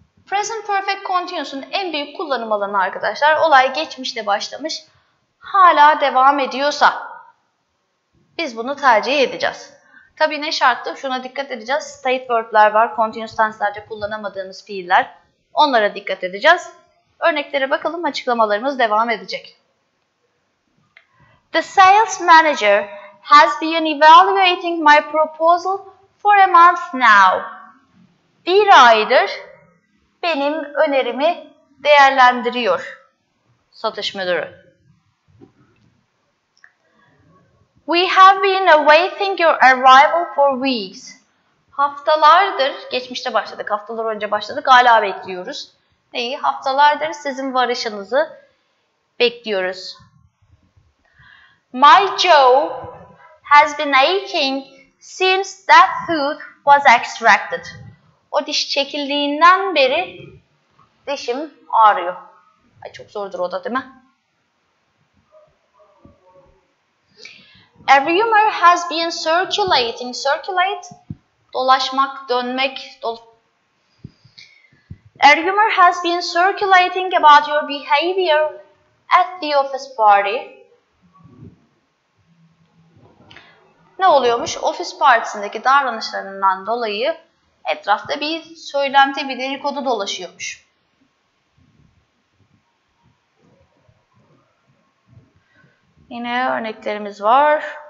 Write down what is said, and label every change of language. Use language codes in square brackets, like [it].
[tr] Present perfect continuous'un en büyük kullanım alanı arkadaşlar, olay geçmişte başlamış, hala devam ediyorsa biz bunu tercih edeceğiz. Tabii ne şartlı? Şuna dikkat edeceğiz. State verb'ler var. Continuous tense'lerde kullanamadığımız fiiller. Onlara dikkat edeceğiz. Örneklere bakalım. Açıklamalarımız devam edecek. [en] The sales manager has been evaluating my proposal for a month now. [tr] Bir aydır benim önerimi değerlendiriyor satış müdürü. [en] We have been awaiting your arrival for weeks. [tr] Haftalardır, geçmişte başladık, haftalar önce başladık, hala bekliyoruz. Neyi? Haftalardır sizin varışınızı bekliyoruz. [en] My jaw has been aching since that tooth was extracted. [tr] O diş çekildiğinden beri dişim ağrıyor. Ay çok zordur o da değil mi? [en] A rumor has been circulating. Circulate, [tr] dolaşmak, dönmek. [en] A rumor has been circulating about your behavior at the office party. [tr] Ne oluyormuş? Ofis partisindeki davranışlarından dolayı etrafta bir söylenti, bir dedikodu dolaşıyormuş. Yine örneklerimiz var.